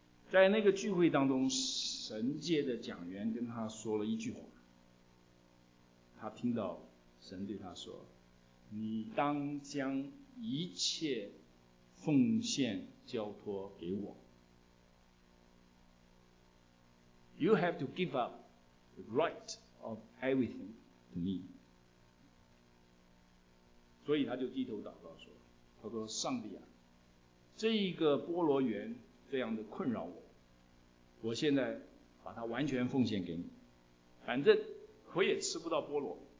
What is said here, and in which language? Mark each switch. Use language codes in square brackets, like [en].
[zh] 在那个聚会当中，神界的讲员跟他说了一句话，他听到神对他说，你当将一切奉献交托给我。 [en] You have to give up the right of everything to me。 [zh] 所以他就低头祷告说，他说上帝啊，这一个菠萝园这样的困扰我，我现在把它完全奉献给你，反正我也吃不到菠萝。